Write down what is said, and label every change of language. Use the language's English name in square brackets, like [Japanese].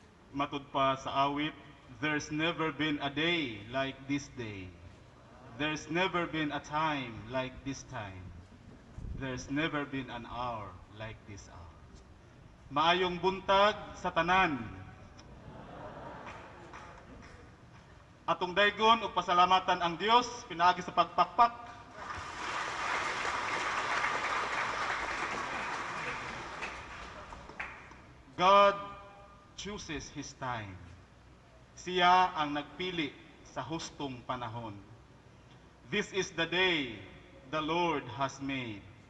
[Cebuano] Matod pa sa awit, [English] there's never been a day like this day. There's never been a time like this time. There's never been an hour like this hour. [Cebuano] Maayong buntag sa tanan. Atong daygon ug pasalamatan ang Dios pinaagi sa pagpakpak. [English] God chooses His time. [Cebuano] Siya ang nagpili sa hustong panahon. [English] This is the day the Lord has made.